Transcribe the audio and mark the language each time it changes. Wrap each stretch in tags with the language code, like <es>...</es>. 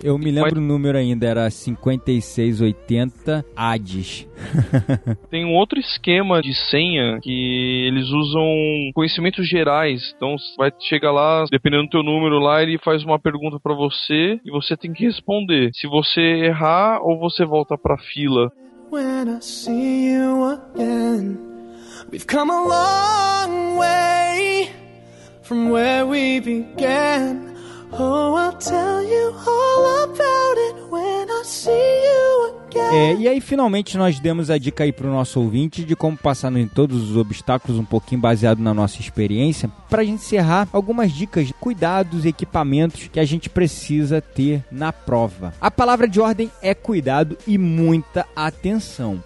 <pt>Eu me lembro o número ainda, era 5680 Hades. Tem um outro esquema de senha que eles usam conhecimentos gerais. Então, vai chegar lá, dependendo do teu número lá, ele faz uma pergunta pra você e você tem que responder. Se você errar ou você volta pra fila.</pt> <en>When I see you again, we've come a long way from where we began. Oh, I'll tell you all about it when I see you again.</en> <pt>É, e aí finalmente nós demos a dica aí pro nosso ouvinte de como passar em todos os obstáculos, um pouquinho baseado na nossa experiência. Pra gente encerrar, algumas dicas, cuidados e equipamentos que a gente precisa ter na prova. A palavra de ordem é cuidado e muita atenção.</pt>